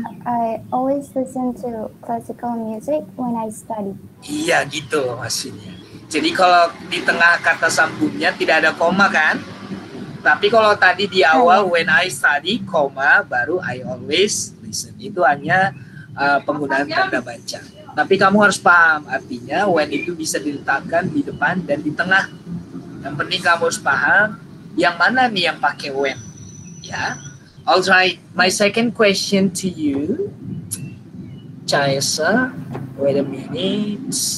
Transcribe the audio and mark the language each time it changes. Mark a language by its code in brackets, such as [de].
[en] I always listen to classical music when I study. [id] Iya, gitu maksudnya. Jadi kalau di tengah kata sambungnya tidak ada koma kan? Tapi kalau tadi di awal [en] when I study, [id] koma, baru [en] I always listen. [id] Itu hanya penggunaan tanda baca. Tapi kamu harus paham artinya when itu bisa diletakkan di depan dan di tengah. Yang penting kamu harus paham yang mana nih yang pakai when. Ya. [en] Alright, my second question to you, Chaesa, wait a minute.